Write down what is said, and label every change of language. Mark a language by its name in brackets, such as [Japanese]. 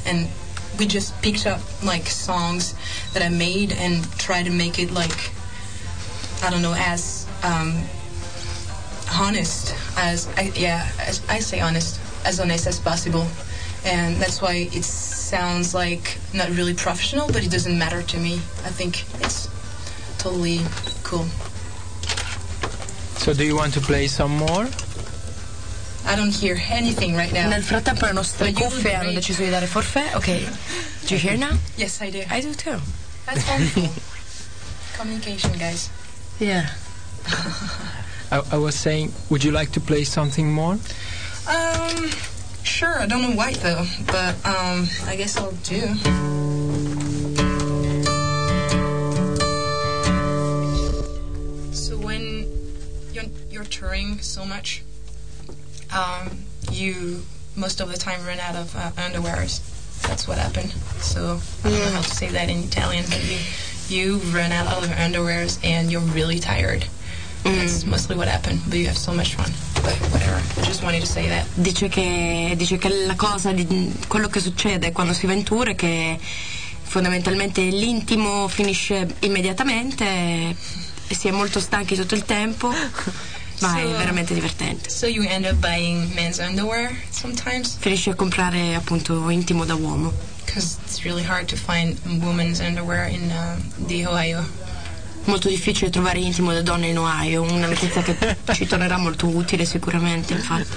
[English] And we just picked up like songs that I made and tried to make it like, I don't know, as honest as honest as possible, and that's why it sounds like not really professional, but it doesn't matter to me. I think it's totally cool. So do you want to play some more? I don't hear anything right now. [Italian] Nel frattempo le nostre cuffie hanno deciso di dare forfè. [English] Ok. Do you hear now? Yes, I do. I do too. That's wonderful. Communication, guys. Yeah. I was saying, would you like to play something more? Sure. I don't know why though, but I guess I'll do. So when you're touring so much, you most of the time run out of underwears. That's what happened. So I don't know how to say that in Italian, but you run out of underwears and you're really tired. That's mostly what happened, but you have so much fun. But whatever, I just wanted to say that. [Italian] Dice che la cosa di quello che succede quando si va in tour è che fondamentalmente l'intimo finisce immediatamente e si è molto stanchi tutto il tempo. Ma so, è veramente divertente. [English] So you end up buying men's underwear sometimes? [Italian] Finisci a comprare appunto intimo da uomo. [English] Because it's really hard to find women's underwear in the Ohio. [Italian] Molto difficile trovare intimo da donna in Ohio. Una notizia che ci tornerà molto utile sicuramente, infatti.